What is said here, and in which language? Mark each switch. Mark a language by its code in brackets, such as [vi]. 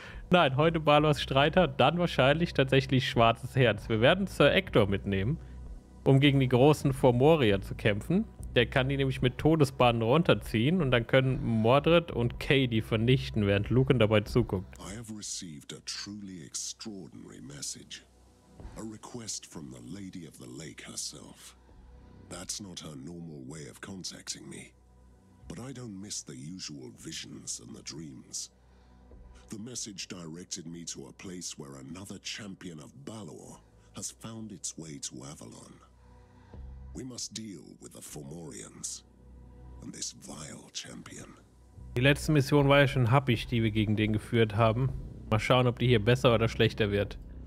[de] Nein, heute Balors Streiter, dann wahrscheinlich tatsächlich Schwarzes Herz. Wir werden Sir Ector mitnehmen, um gegen die großen Formorier zu kämpfen. Der kann die nämlich mit Todesbahnen runterziehen und dann können Mordred und Kay die vernichten, während Lucan dabei zuguckt. [en] I have received a truly extraordinary message. A request from the Lady of the Lake herself. That's not her normal way of contacting me. But I don't miss the usual visions and the dreams. The message directed me to a place where another champion of Balor has found its way to Avalon. We must deal with the Formorians and this vile champion. [de] Die letzte Mission war ja schon happig, die wir gegen den geführt haben. Mal schauen, ob die hier besser oder schlechter wird.